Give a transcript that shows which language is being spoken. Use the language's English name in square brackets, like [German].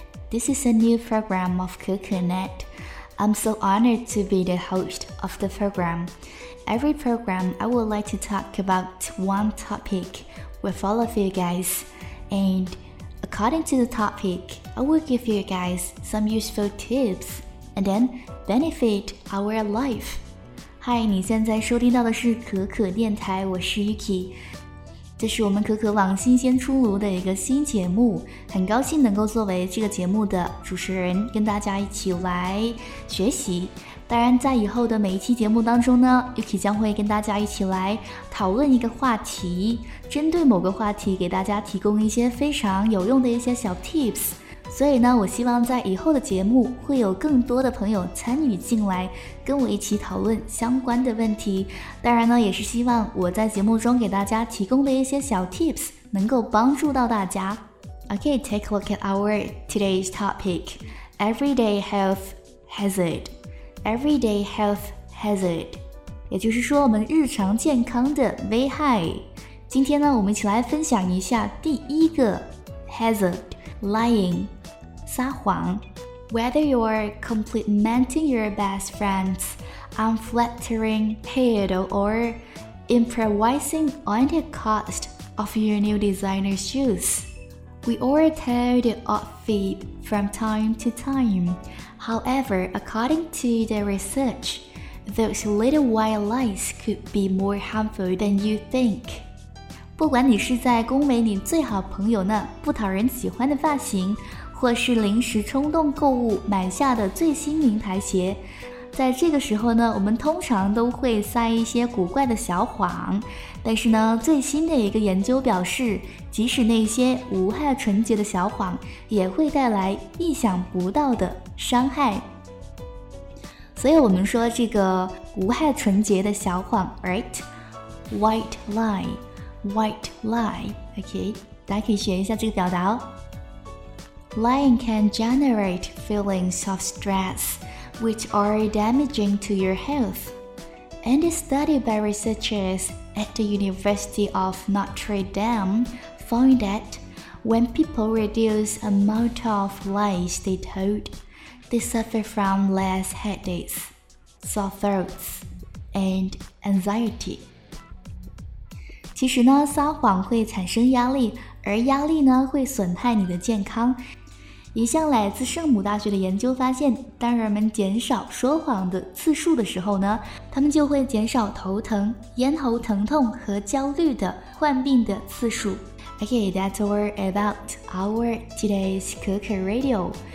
[English] This is a new program of Kuku Net. I'm so honored to be the host of the program. Every program, I would like to talk about one topic with all of you guys. And according to the topic, I will give you guys some useful tips and then benefit our life. [Chinese] 嗨，你现在收听到的是可可电台，我是 Yuki， 这是我们可可网新鲜出炉的一个新节目，很高兴能够作为这个节目的主持人跟大家一起来学习。当然在以后的每一期节目当中呢， Yuki 将会跟大家一起来讨论一个话题，针对某个话题给大家提供一些非常有用的一些小 tips。所以呢，我希望在以后的节目会有更多的朋友参与进来，跟我一起讨论相关的问题。当然呢，也是希望我在节目中给大家提供的一些小 tips 能够帮助到大家。 [English] Okay, take a look at our today's topic. Everyday health hazard. Everyday health hazard. [Chinese] 也就是说我们日常健康的危害。今天呢，我们一起来分享一下第一个 hazard. [English] Lying, [Chinese] 撒谎 [English] Whether you're complimenting your best friends, unflattering title, or improvising on the cost of your new designer shoes, we all tell the odd fib from time to time. However, according to the research, those little white lies could be more harmful than you think. [Chinese] 不管你是在恭维你最好朋友那不讨人喜欢的发型，或是临时冲动购物买下的最新名牌鞋，在这个时候呢，我们通常都会塞一些古怪的小谎。但是呢，最新的一个研究表示，即使那些无害纯洁的小谎，也会带来意想不到的伤害。所以我们说这个无害纯洁的小谎 ，right? [English] White lie. White lie, okay, [Chinese] 大家可以学一下这个表达哦。 [English] Lying can generate feelings of stress, which are damaging to your health. And a study by researchers at the University of Notre Dame found that when people reduce the amount of lies they told, they suffer from less headaches, sore throats, and anxiety. [Chinese] 其实呢，撒谎会产生压力，而压力呢会损害你的健康。一项来自圣母大学的研究发现，当人们减少说谎的次数的时候呢，他们就会减少头疼、咽喉疼痛和焦虑的患病的次数。 [English] Okay, that's all about our today's Kuku Radio.